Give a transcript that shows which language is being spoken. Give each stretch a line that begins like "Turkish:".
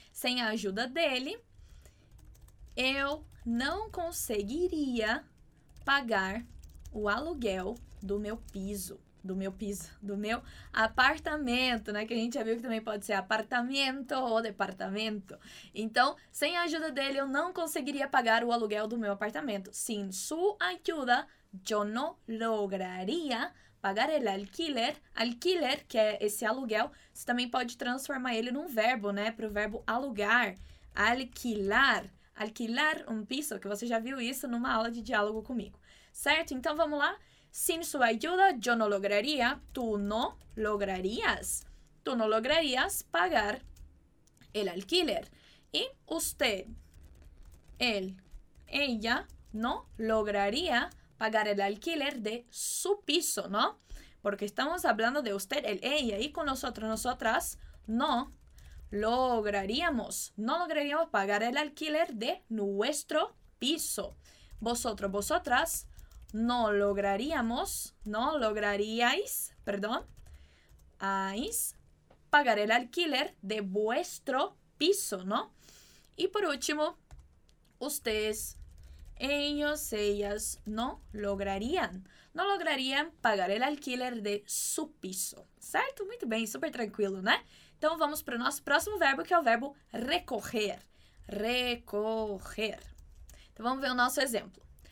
Portuguese: Sem a ajuda dele, eu não conseguiria pagar o aluguel do meu piso. Do meu apartamento, né? Que a gente já viu que também pode ser apartamento ou departamento. Então, sem a ajuda dele, eu não conseguiria pagar o aluguel do meu apartamento.
Spanish: Sin su ayuda, yo no lograría pagar el alquiler.
Portuguese: Alquiler, que é esse aluguel, você também pode transformar ele num verbo, né? Para o verbo alugar. Alquilar.
Spanish: Alquilar un piso,
Portuguese: que você já viu isso numa aula de diálogo comigo. Certo? Então, vamos lá.
Spanish: Sin su ayuda, yo no lograría. Tú no lograrías. Tú no lograrías pagar el alquiler. Y usted, él, ella, no lograría pagar el alquiler de su piso, ¿no? Porque estamos hablando de usted, él, ella, y con nosotros, nosotras, no lograríamos, no lograríamos pagar el alquiler de nuestro piso. Vosotros, vosotras, no lograríamos, no lograríais, perdón, pagar el alquiler de vuestro piso, ¿no? Y por último, ustedes, ellos, ellas, no lograrían. No lograrían pagar el alquiler de su piso.
Portuguese: Certo? Muito bem, super tranquilo, né? Então vamos para o nosso próximo verbo, que é o verbo recorrer. Recorrer. Então vamos ver o nosso exemplo.